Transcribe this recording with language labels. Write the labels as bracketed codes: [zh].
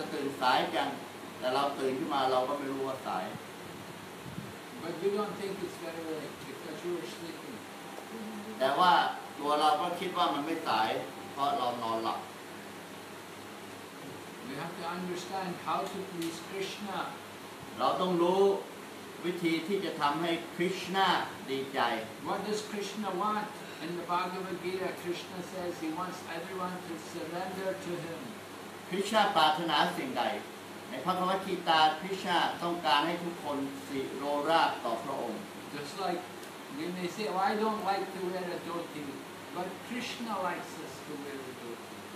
[th] บางครั้งเรานอนหลับแล้วมีคนมาปลุกบอกว่าสายแล้วเธอตื่นสายจังแต่เราตื่นขึ้นมาเราก็ไม่รู้ว่าสาย [en] But you don't think it's very late because you were sleeping. [th] แต่ว่าตัวเราก็คิดว่ามันไม่สายเพราะเรานอนหลับ [en] We have to understand how to please Krishna. [th] เราต้องรู้วิธีที่จะทำให้ Krishna ดีใจ [en] What does Krishna want? In the Bhagavad Gita, Krishna says he wants everyone to surrender to him. [th] Krishna ปรารถนาสิ่งใดในพระธรรมกีตา Krishna ต้องการให้ทุกคนสิโรราบต่อพระองค์ [en] Just like you may say, oh, I don't like to wear a dhoti, but Krishna likes us to wear a dhoti.